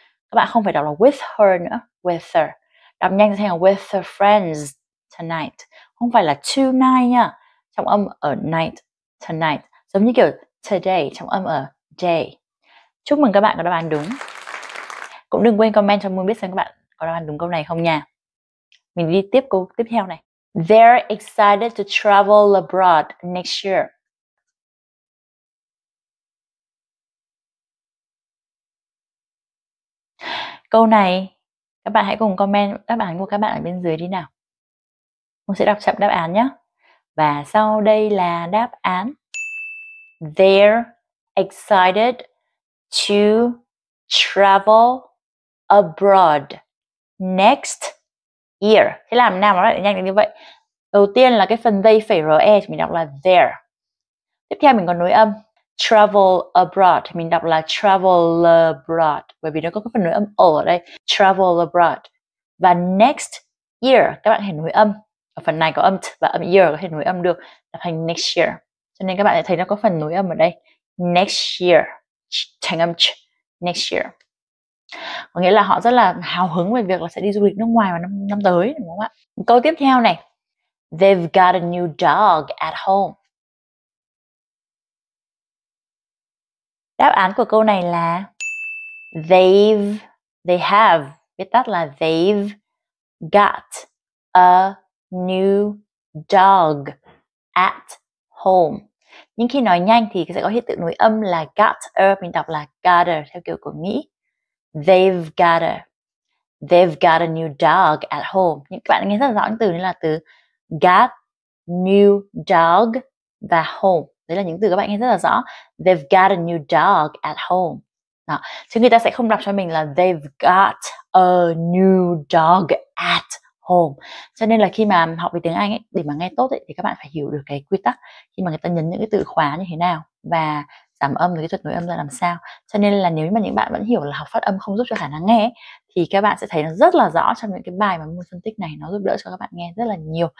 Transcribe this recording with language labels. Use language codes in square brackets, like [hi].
[vi] Các bạn không phải đọc là [en] with her [vi] nữa, with her. Đọc nhanh thành là [en] with her friends tonight. [vi] Không phải là tonight nha, trọng âm ở night, tonight. Giống như kiểu today, trọng âm ở day. Chúc mừng các bạn có đáp án đúng. Cũng đừng quên comment cho Moon biết xem các bạn có đáp án đúng câu này không nha. Mình đi tiếp câu tiếp theo này. [en] They're excited to travel abroad next year. [vi] Câu này, các bạn hãy cùng comment đáp án của các bạn ở bên dưới đi nào. Mình sẽ đọc chậm đáp án nhé. Và sau đây là đáp án. [en] They're excited to travel abroad next year. [vi] Thế làm nào nó lại nhanh như vậy? Đầu tiên là cái phần they phải re, mình đọc là there. Tiếp theo mình có nối âm [en] travel abroad, [vi] mình đọc là travel abroad, bởi vì nó có cái phần nối âm ở đây, travel abroad. Và [en] next year, [vi] các bạn hãy nối âm ở phần này có âm t và âm year có thể nối âm được, là thành next year. Cho nên các bạn sẽ thấy nó có phần nối âm ở đây. [en] Next year. [vi] Thành âm ch. Next year. Có nghĩa là họ rất là hào hứng về việc là sẽ đi du lịch nước ngoài vào năm tới, đúng không ạ? Câu tiếp theo này. [en] They've got a new dog at home. [vi] Đáp án của câu này là [en] they have, [vi] viết tắt là [en] they've got a new dog at home. [vi] Nhưng khi nói nhanh thì sẽ có hiện tượng nối âm là [en] got a, [vi] mình đọc là got a theo kiểu của Mỹ. [en] They've got a. They've got a new dog at home. [vi] Nhưng các bạn nghe rất rõ những từ như là từ got, new dog và home. Đấy là những từ các bạn nghe rất là rõ. [en] They've got a new dog at home. [vi] Đó. Chứ người ta sẽ không đọc cho mình là [en] they've got a new dog at home. [vi] Cho nên là khi mà học về tiếng Anh ấy, để mà nghe tốt ấy, thì các bạn phải hiểu được cái quy tắc khi mà người ta nhấn những cái từ khóa như thế nào và giảm âm với kỹ thuật nối âm ra làm sao. Cho nên là nếu như mà những bạn vẫn hiểu là học phát âm không giúp cho khả năng nghe ấy, thì các bạn sẽ thấy nó rất là rõ trong những cái bài mà mình phân tích này, nó giúp đỡ cho các bạn nghe rất là nhiều.